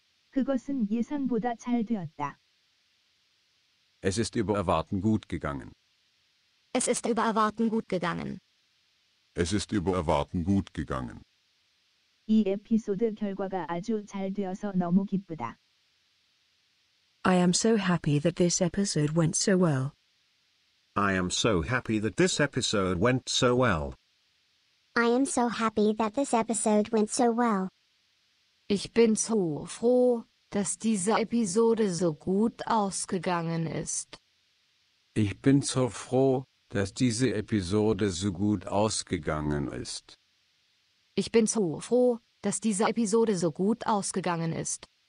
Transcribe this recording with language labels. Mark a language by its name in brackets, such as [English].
[Korean] 그것은 예상보다 잘 되었다. [German] Es ist über Erwarten gut gegangen. Es ist über Erwarten gut gegangen. Es ist über Erwarten gut gegangen. [Korean] 이 에피소드 결과가 아주 잘 되어서 너무 기쁘다. [English] I am so happy that this episode went so well. I am so happy that this episode went so well. I am so happy that this episode went so well. [German] Ich bin so froh, dass diese Episode so gut ausgegangen ist. Ich bin so froh, dass diese Episode so gut ausgegangen ist. Ich bin so froh, dass diese Episode so gut ausgegangen ist.